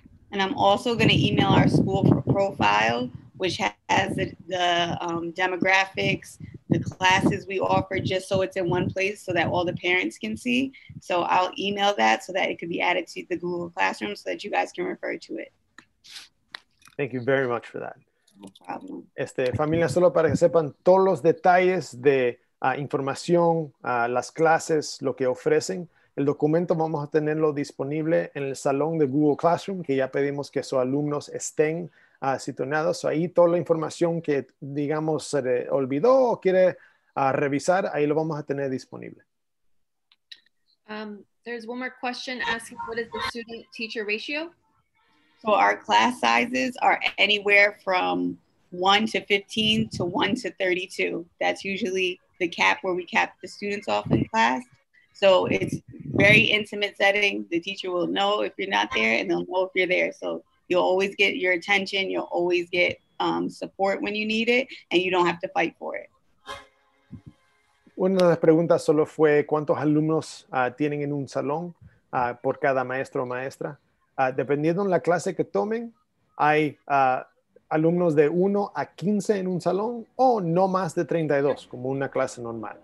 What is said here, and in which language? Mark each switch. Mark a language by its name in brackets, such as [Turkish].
[English] And I'm also going to email our school profile, which has the demographics, the classes we offer, just so it's in one place so that all the parents can see. So I'll email that so that it could be added to the Google Classroom so that you guys can refer to it. Thank you very much for that. No problem. [Spanish] Este, familia, solo para que sepan todos los detalles de información, las clases, lo que ofrecen. El documento vamos a tenerlo disponible en el salón de Google Classroom, que ya pedimos que sus alumnos estén situados. So, ahí toda la información que, digamos, se olvidó o quiere revisar, ahí lo vamos a tener disponible. [English] There's one more question asking, what is the student-teacher ratio? So our class sizes are anywhere from 1 to 15 to 1 to 32. That's usually the cap where we cap the students off in class. So it's very intimate setting. The teacher will know if you're not there and they'll know if you're there. So you'll always get your attention. You'll always get support when you need it, and you don't have to fight for it. [Spanish] Una de las preguntas solo fue cuántos alumnos tienen en un salón por cada maestro o maestra. Dependiendo en la clase que tomen, hay alumnos de 1 a 15 en un salón o no más de 32, como una clase normal.